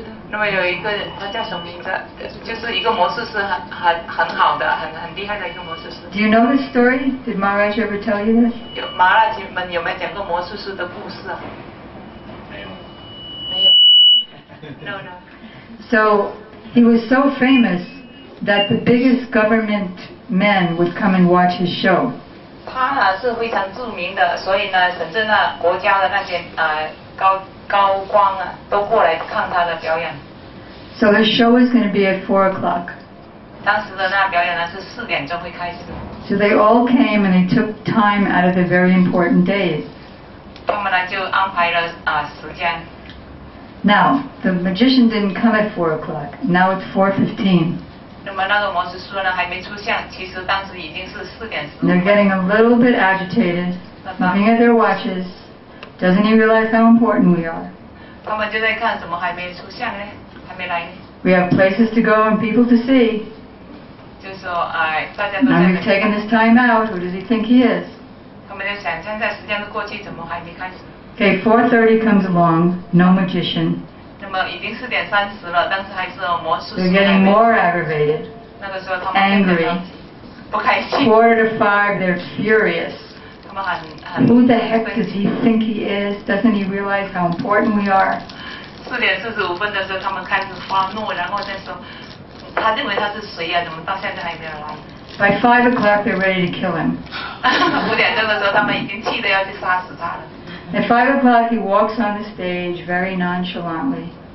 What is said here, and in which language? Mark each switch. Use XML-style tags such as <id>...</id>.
<zh>那么有一个他叫什么名字？就是一个魔术师，很好的，很厉害的一个魔术师。</zh> <en>Do you know this story? Did Maharaj ever tell you this?</en> <zh>马拉吉们有没有讲过魔术师的故事啊？没有。</zh> <en>So he was so famous that the biggest government men would come and watch his show.</en> <zh>他是非常著名的，所以呢，甚至那国家的那些高官啊，都过来看他的表演。</zh> <en>So the show is going to be at 4 o'clock.</en> <zh>当时的那表演呢是四点钟会开始。</zh> <en>So they all came and they took time out of the very important days.</en> <zh>他们呢就安排了时间。</zh> <en>Now, the magician didn't come at 4 o'clock. Now it's 4:15.</en> <zh>那么那个魔术师呢还没出现，其实当时已经是四点十五。</zh> <en>They're getting a little bit agitated, looking at their watches. Doesn't he realize how important we are?</en> <zh>他们就在看怎么还没出现呢？还没来。</zh> <en>We have places to go and people to see.</en> <zh>就说哎，大家都在。</zh> <en>Now we've taken this time out. Who does he think he is?</en> <zh>他们就想现在时间都过去，怎么还没开始？</zh> <en>Okay, 4:30 comes along, no magician.</en> <zh>那么已经四点三十了，但是还是魔术师。</zh> <en>They're getting more aggravated.</en> <zh>那个时候他们</zh> <en>angry,</en> <zh>不开心。</zh> <en>4:05, they're furious.</en> <zh>他们很</zh> <en>Who the heck does he think he is? Doesn't he realize how important we are?</en> <zh>四点四十五分的时候，他们开始发怒，然后再说，他认为他是谁呀？怎么到现在还没有来？</zh> <en>By 5:00, they're ready to kill him.</en> <zh>五点钟的时候，他们已经气得要去杀死他了。</zh> <en>At 5:00, he walks on the stage very nonchalantly.</en>